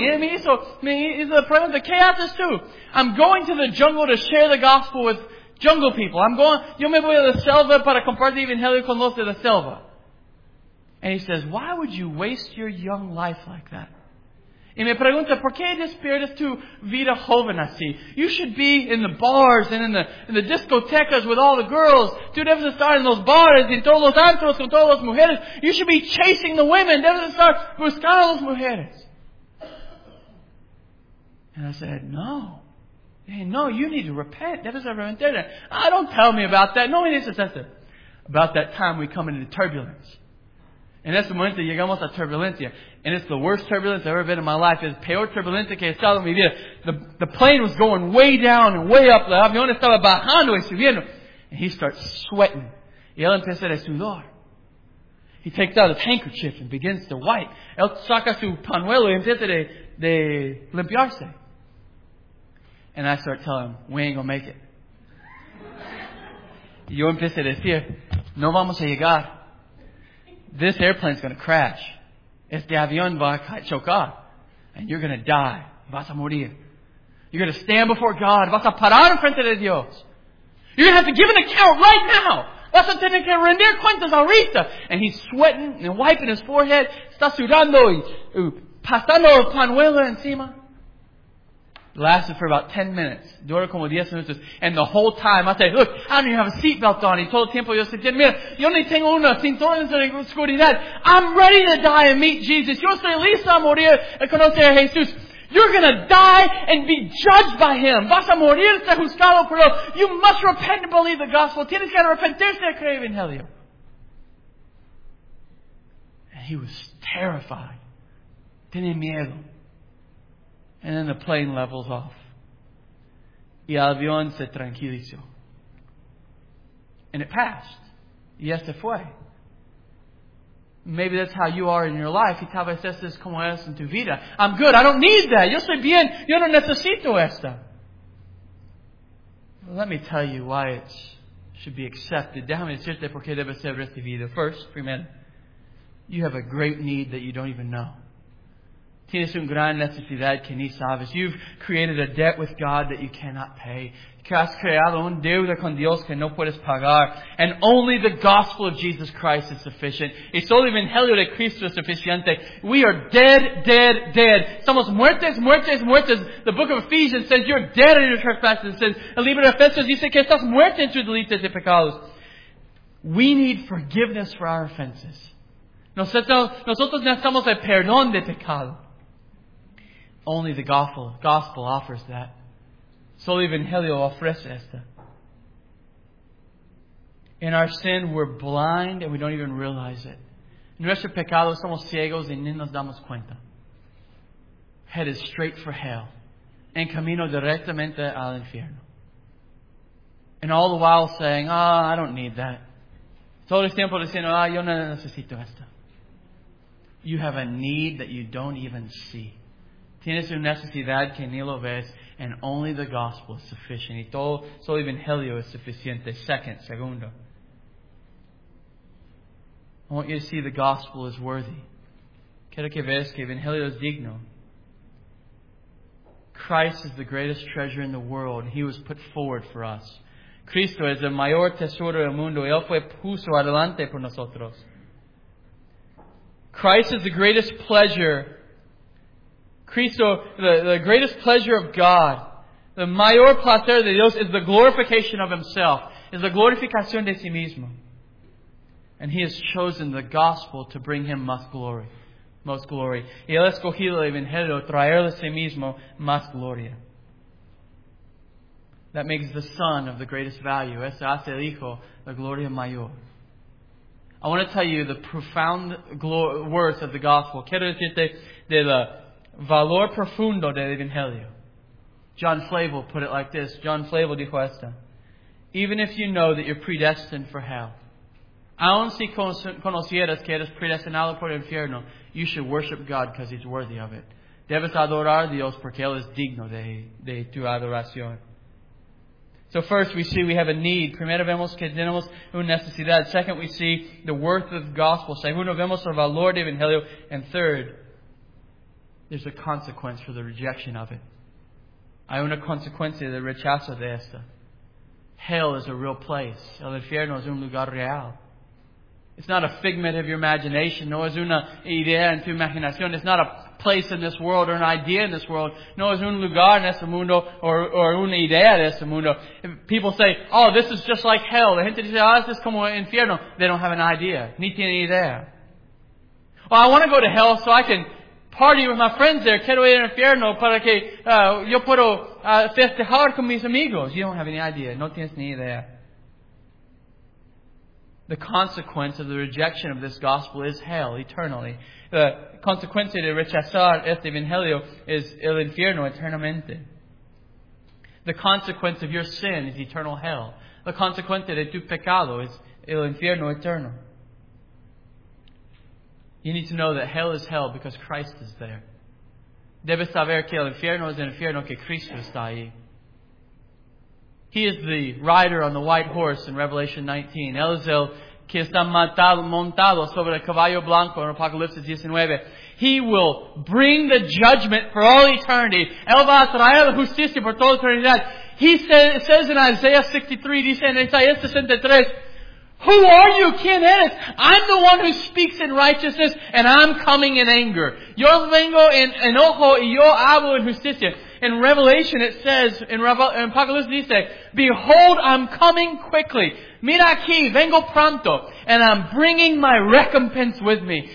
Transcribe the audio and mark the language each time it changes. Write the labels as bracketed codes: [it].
[es] Y me hizo la pregunta, ¿qué haces tú? [en] I'm going to the jungle to share the gospel with jungle people. [es] Yo me voy a la selva para compartir el evangelio con los de la selva. [en] And he says, why would you waste your young life like that? [es] Y me pregunta, ¿por qué despiertas tu vida joven así? [en] You should be in the bars and in the discotecas with all the girls. [es] Tú debes estar en los bares y en todos los antros con todas las mujeres. [en] You should be chasing the women. [es] Debes estar buscando a las mujeres. [en] And I said, no. Hey, no, you need to repent. [es] Debes arrepentir. [en] Don't tell me about that. [es] No me dices eso. [en] About that time we come into turbulence. [es] En ese momento llegamos a turbulencia. [en] And it's the worst turbulence I've ever been in my life. [es] Es peor turbulencia que he estado en mi vida. [en] The plane was going way down and way up. [es] El avión estaba bajando y subiendo. [en] And he starts sweating. [es] Y él empieza a sudar. [en] He takes out his handkerchief and begins to wipe. [es] Él saca su pañuelo y empieza de limpiarse. [en] And I start telling him, we ain't gonna make it. [es] Y yo empiezo a decir, no vamos a llegar. [en] This airplane's gonna crash. [es] Este avión va a chocar. [en] And you're gonna die. [es] Vas a morir. [en] You're gonna stand before God. [es] Vas a parar en frente de Dios. [en] You're gonna have to give an account right now. [es] Vas a tener que rendir cuentas ahorita. [en] And he's sweating and wiping his forehead. [es] Está sudando y pasando el pañuelo encima. [en] Lasted for about 10 minutes. [es] Dura como 10 minutes. [en] And the whole time, I say, look, I don't even have a seatbelt on. [es] He told the tiempo, yo estoy bien, mira, yo ni tengo una cintura de seguridad. [en] I'm ready to die and meet Jesus. [es] Yo estoy lista a morir y conocer a Jesús. [en] You're going to die and be judged by Him. [es] Vas a morir, ser juzgado por él. [en] You must repent and believe the gospel. [es] Tienes que arrepentirse y creer en Helio. [en] And he was terrified. [es] Tenía miedo. [en] And then the plane levels off. [es] Y el avión se tranquilizó. [en] And it passed. [es] Y este fue. [en] Maybe that's how you are in your life. [es] Y tal vez este es como es en tu vida. [en] I'm good. I don't need that. [es] Yo soy bien. Yo no necesito esto. [en] Let me tell you why it should be accepted. [es] Déjame decirte por qué debe ser recibido. [en] First, primero, you have a great need that you don't even know. [es] Tienes un gran necesidad que ni sabes. [en] You've created a debt with God that you cannot pay. [es] Has creado un deuda con Dios que no puedes pagar. [en] And only the gospel of Jesus Christ is sufficient. [es] Y solo el evangelio de Cristo es suficiente. [en] We are dead, dead, dead. [es] Somos muertes, muertes, muertes. [en] The book of Ephesians says you're dead in your trespasses and sins. [es] El libro de Efesios dice que estás muerto en tus delitos y pecados. [en] We need forgiveness for our offenses. [es] Nosotros necesitamos el perdón de pecado. [en] Only the gospel offers that. [es] Solo el Evangelio ofrece esto. [en] In our sin, we're blind and we don't even realize it. [es] En nuestro pecado, somos ciegos y ni nos damos cuenta. [en] Headed straight for hell. [es] En camino directamente al infierno. [en] And all the while saying, I don't need that. [es] Todo el tiempo diciendo, yo no necesito esto. [en] You have a need that you don't even see. [es] Tienes una necesidad que ni lo ves, [en] and only the gospel is sufficient. [es] Y todo, solo evangelio es suficiente. Segundo. [en] I want you to see the gospel is worthy. [es] Quiero que veas que evangelio es digno. [en] Christ is the greatest treasure in the world. He was put forward for us. [es] Cristo es el mayor tesoro del mundo. Él fue puesto adelante por nosotros. [en] Christ is the greatest pleasure. Cristo, the greatest pleasure of God, the [es] mayor placer de Dios [en] is the glorification of Himself, is the [es] glorificación de sí mismo. [en] And He has chosen the gospel to bring Him [es] más [en] glory. Most glory. [es] Y Él ha escogido el Evangelio, traerle a sí mismo más gloria. [en] That makes the Son of the greatest value. [es] Eso hace el Hijo la gloria mayor. [en] I want to tell you the profound words of the gospel. [es] Quiero decirte de la valor profundo del Evangelio. [en] John Flavel put it like this. [es] John Flavel dijo esto. [en] Even if you know that you're predestined for hell, [es] aun si conocieras que eres predestinado por el infierno, [en] you should worship God because He's worthy of it. [es] Debes adorar a Dios porque Él es digno de tu adoración. [en] So first we see we have a need. [es] Primero vemos que tenemos una necesidad. [en] Second we see the worth of the gospel. [es] Segundo vemos el valor del Evangelio. [en] And third, there's a consequence for the rejection of it. [es] Hay una consecuencia del rechazo de esta. [en] Hell is a real place. [es] El infierno es un lugar real. [en] It's not a figment of your imagination. [es] No es una idea en tu imaginación. [en] It's not a place in this world or an idea in this world. [es] No es un lugar en este mundo or una idea de este mundo. [en] People say, this is just like hell. [es] La gente dice, esto es como el infierno. [en] They don't have an idea. [es] Ni tiene idea. [en] I want to go to hell so I can party with my friends there. [es] Quiero ir al infierno para que yo pueda festejar con mis amigos. [en] You don't have any idea. [es] No tienes ni idea. [en] The consequence of the rejection of this gospel is hell eternally. The consequence [es] de rechazar este evangelio is el infierno eternamente. [en] The consequence of your sin is eternal hell. The consequence [es] de tu pecado [en] is [es] el infierno eterno. [en] You need to know that hell is hell because Christ is there. [es] Debes saber que el infierno es el infierno que Cristo está ahí. [en] He is the rider on the white horse in Revelation 19. [es] Él es el que está montado sobre el caballo blanco en Apocalipsis 19. [en] He will bring the judgment for all eternity. [es] Él va a traer la justicia por toda eternidad. [en] He says in Isaiah 63, [es] dice en Isaiah 63, [en] "Who are you? [es] ¿Quién eres? [en] I'm the one who speaks in righteousness, and I'm coming in anger. [es] Yo vengo en enojo y yo hablo en justicia." [en] In Revelation it says, in [es] Apocalipsis dice, [en] "Behold, I'm coming quickly. [es] Mira aquí, vengo pronto. [en] And I'm bringing my recompense with me.